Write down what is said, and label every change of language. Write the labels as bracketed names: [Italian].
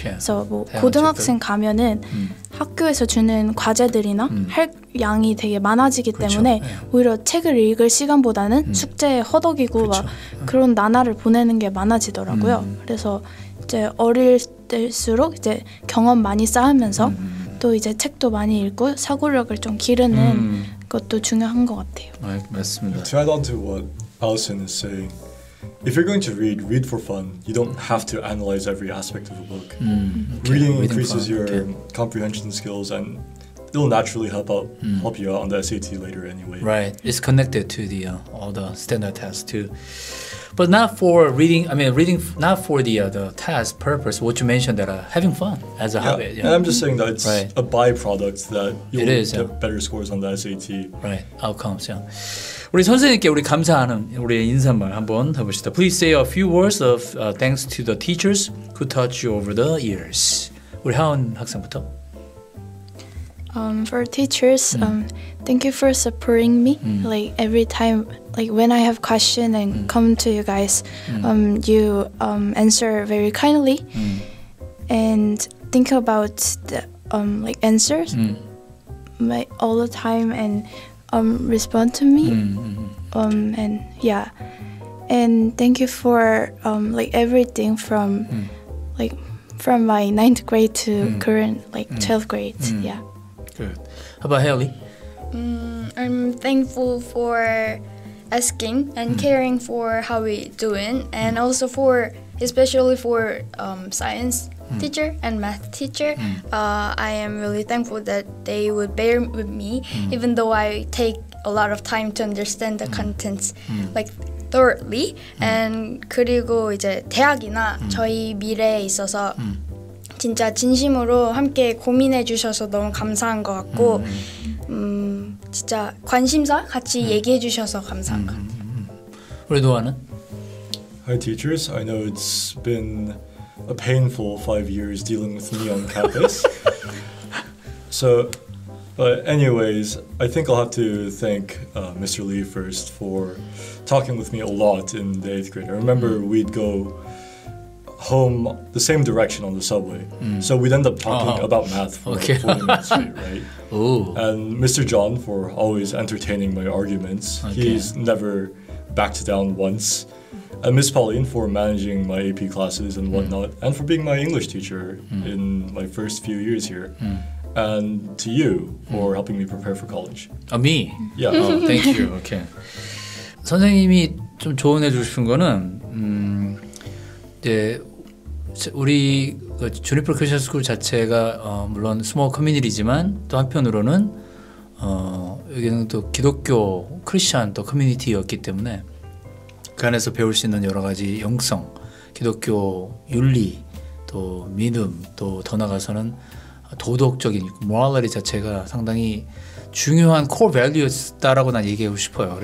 [Korean] 그래서 뭐 고등학생 책도. 가면은 학교에서 주는 과제들이나 할 양이 되게 많아지기 때문에 오히려 책을 읽을 시간보다는 숙제에 허덕이고 막 그런 나날을 보내는 게 많아지더라고요. 그래서 이제 어릴 때일수록 이제 경험 많이 쌓으면서 또 이제 책도 많이 읽고 사고력을 좀 기르는 것도 중요한 것 같아요. 맞습니다. [English] To add on to what Allison is saying. If you're going to read, read for fun. You don't have to analyze every aspect of a book. Reading increases your comprehension skills and it'll naturally help out help you out on the SAT later anyway. Right. It's connected to the all the standard tests too. But not for reading, I mean reading not for the test purpose, what you mentioned that having fun as a habit. Yeah. And I'm just saying that it's a byproduct that you'll get better scores on the SAT. Right. Outcomes, yeah. [Korean] 우리 선생님께 우리 감사하는 우리의 인사말 한번 해봅시다. [English] Please say a few words of thanks to the teachers who taught you over the years. [Korean] 우리 하은 학생부터. [English] For teachers, thank you for supporting me. Like every time, like when I have question and come to you guys, you answer very kindly. And think about the like answers all the time and respond to me. And yeah, and thank you for like everything from like from my ninth grade to current like 12th grade. Yeah, good. How about Haley? I'm thankful for asking and caring for how we doing and also for especially for science teacher and math teacher. I am really thankful that they would bear with me even though I take a lot of time to understand the contents like thoroughly. [Korean] And 그리고 이제 대학이나 저희 미래에 있어서 진짜 진심으로 함께 고민해 주셔서 너무 감사한 것 같고 진짜 관심사 같이 얘기해 주셔서 감사한 것 같아요. 우리 노아는? [English] Hi teachers, I know it's been a painful 5 years dealing with me on campus. So But anyways, I think I'll have to thank Mr. Lee first for talking with me a lot in the 8th grade. I remember we'd go home the same direction on the subway. So we'd end up talking about math for 40 minutes straight, right? Ooh. And Mr. John for always entertaining my arguments. Okay. He's never backed down once. And Ms. Pauline for managing my AP classes and whatnot, and for being my English teacher in my first few years here. And to you for helping me prepare for college. Me? Yeah. Thank you. Okay. [Korean] 선생님이 좀 조언해 주신 거는 이제 우리 주니퍼 크리스천 스쿨 자체가 물론 스몰 커뮤니티지만 또 한편으로는 여기는 또 기독교 크리스천 또 커뮤니티였기 때문에 그 안에서 배울 수 있는 여러 가지 영성, 기독교 윤리, 또 믿음, 또 더 나아가서는 도덕적인 모랄리티 자체가 상당히 중요한 코어 밸류였다라고 난 얘기하고 싶어요.